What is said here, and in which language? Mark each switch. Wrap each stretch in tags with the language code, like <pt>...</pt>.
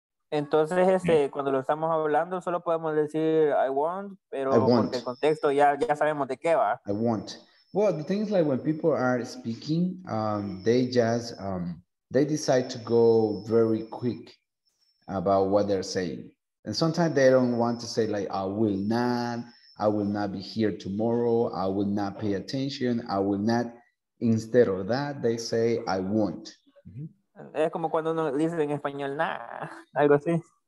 <es>Entonces, cuando lo estamos hablando, solo podemos decir I won't, pero I won't. Porque el contexto ya sabemos de qué va.</es> <en>I won't. Well, the thing is like when people are speaking, they just, they decide to go very quick about what they're saying. And sometimes they don't want to say like, I will not be here tomorrow, I will not pay attention, I will not, instead of that, they say, I won't. Mm-hmm.</en> <es>Es como cuando uno dice en español, nah, algo así.</es>